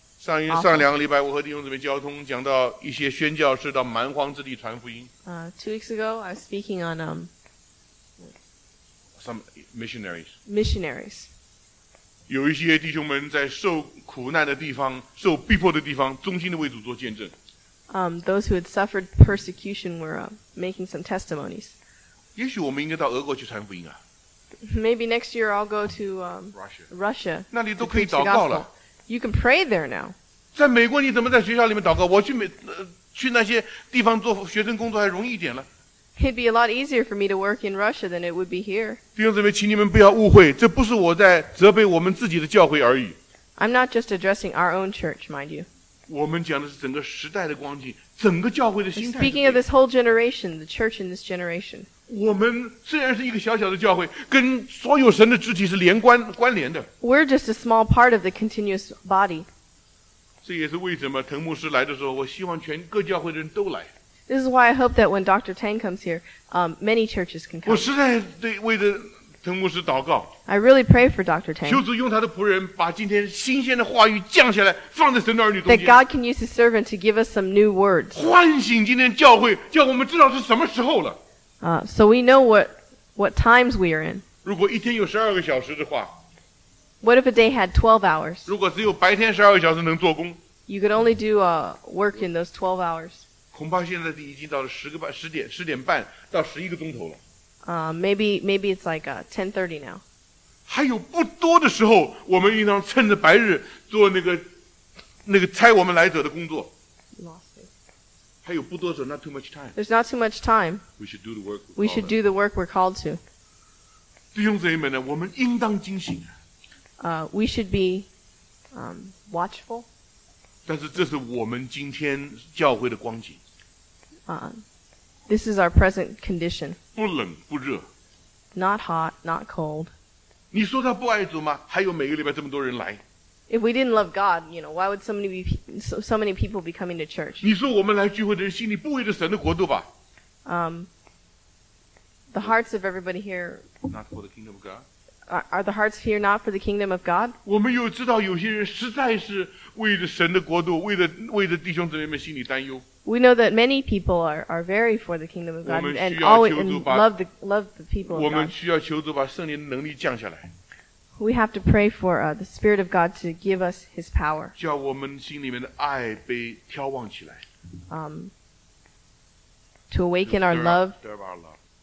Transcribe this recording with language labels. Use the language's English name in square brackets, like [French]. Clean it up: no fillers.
[Chinese] 上两个礼拜我和弟兄姊妹交通讲到一些宣教士到蛮荒之地传福音。 [English] Two weeks ago, I was speaking on some missionaries. Missionaries. [Chinese] 有一些弟兄们在受苦难的地方、受逼迫的地方，忠心的为主做见证。 [English] Those who had suffered persecution were making some testimonies. [Chinese] 也许我们应该到俄国去传福音啊。 [English] Maybe next year I'll go to Russia. [Chinese] 那里都可以祷告了。 [English] You can pray there now. [Chinese] 在美国你怎么在学校里面祷告？我去美、去那些地方做学生工作还容易一点了。 [English] It'd be a lot easier for me to work in Russia than it would be here. [Chinese] 弟兄姊妹，请你们不要误会，这不是我在责备我们自己的教会而已。 [English] I'm not just addressing our own church, mind you. [Chinese] 我们讲的是整个时代的光景，整个教会的心态。 [English] Speaking of this whole generation, the church in this generation. [Chinese] 我们虽然是一个小小的教会，跟所有神的肢体是连关联的。 [English] We're just a small part of the continuous body. [Chinese] 这也是为什么藤牧师来的时候，我希望全各教会的人都来。 [English] This is why I hope that when Dr. Tang comes here, many churches can come. [Chinese] 我实在对为了陈牧师祷告。 [English] I really pray for Dr. Tang. [Chinese] 求主用他的仆人把今天新鲜的话语降下来，放在神的儿女中间。 [English] That God can use His servant to give us some new words. [Chinese] 唤醒今天教会，叫我们知道是什么时候了。 [English] So we know what times we are in. [Chinese] 如果一天有十二个小时的话。 [English] What if a day had 12 hours? [Chinese] 如果只有白天十二个小时能做工。 [English] You could only do work in those 12 hours. [Chinese] 恐怕现在已经到了十个半、十点、十点半到十一个钟头了。 [English] Maybe it's like 10:30 now. [Chinese] 还有不多的时候，我们应当趁着白日做那个差我们来者的工作。还有不多的时候 ， [English] not too much time. There's not too much time. We should do the work. We should do the work we're called to. [Chinese] 弟兄姊妹们呢，我们应当警醒。 [English] We should be watchful. [Chinese] 但是这是我们今天教会的光景。 [English] This is our present condition. [Chinese] 不冷不热。 [English] Not hot, not cold. [Chinese] 你说他不爱主吗？还有每个礼拜这么多人来。 [English] If we didn't love God, you know, why would so many people be coming to church? [Chinese] 你说我们来聚会的人心里不为着神的国度吧？ [English] The hearts of everybody here. Not for the kingdom of God. Are the hearts here not for the kingdom of God? [Chinese] 我们又知道有些人实在是为着神的国度，为着弟兄姊妹们心里担忧。 [English] We know that many people are very for the kingdom of God and always love the people of God. [Chinese] 我们需要求主把圣灵的能力降下来。 [English] We have to pray for the Spirit of God to give us His power. [Chinese] 叫我们心里面的爱被眺望起来。 [English] To awaken our love. Stir our love.